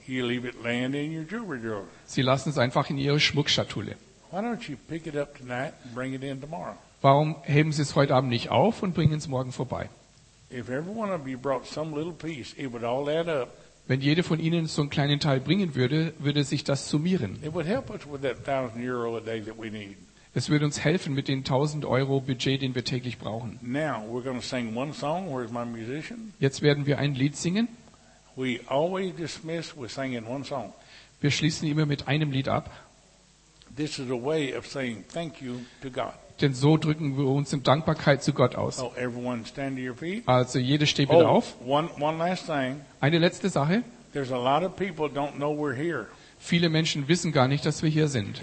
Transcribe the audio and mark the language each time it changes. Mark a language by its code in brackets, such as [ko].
[en] You leave it land in your jewelry drawer. [de] Sie lassen es einfach in Ihre Schmuckschatulle. [en] Why don't you pick it up tonight and bring it in tomorrow? [de] Warum heben Sie es heute Abend nicht auf und bringen es morgen vorbei? [en] If every one of you brought some little piece, it would all add up. [de] Wenn jede von Ihnen so einen kleinen Teil bringen würde, würde sich das summieren. [en] It would help us with that 1,000 euro a day that we need. [de] Es würde uns helfen mit den 1,000 Euro Budget, den wir täglich brauchen. [en] Now we're going to sing one song. Where's my musician? [de] Jetzt werden wir ein Lied singen. [en] We always dismiss with singing one song. [de] Wir schließen immer mit einem Lied ab. [en] This is a way of saying thank you to God. [de] Denn so drücken wir uns in Dankbarkeit zu Gott aus. [en] So everyone stand to your feet. [de] Also jeder steht wieder auf. [en] One last thing. [de] Eine letzte Sache. [en] There's a lot of people don't know we're here. [de] Viele Menschen wissen gar nicht, dass wir hier sind.